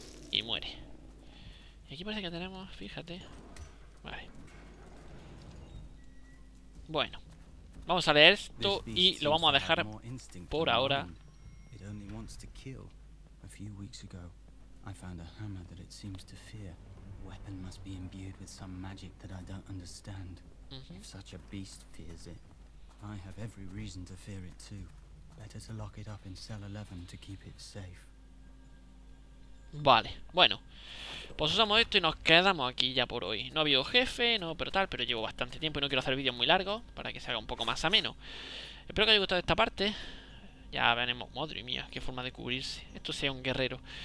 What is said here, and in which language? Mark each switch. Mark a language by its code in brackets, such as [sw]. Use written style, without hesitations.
[es] Y muere. Aquí parece que tenemos, fíjate. Vale. Bueno, vamos a leer esto y lo vamos a dejar por ahora. [en] It only wants to kill. A few weeks ago, I found a hammer that it seems to fear. Weapon must be imbued with some magic that I don't understand. If such a beast fears it, I have every reason to fear it too. Better to lock it up in cell 11 to keep it safe. [es] Vale, bueno, pues usamos esto y nos quedamos aquí ya por hoy. No ha habido jefe, no, pero tal, pero llevo bastante tiempo y no quiero hacer vídeos muy largos para que se haga un poco más ameno. Espero que os haya gustado esta parte. Ya veremos, madre mía, qué forma de cubrirse. Esto sea un guerrero.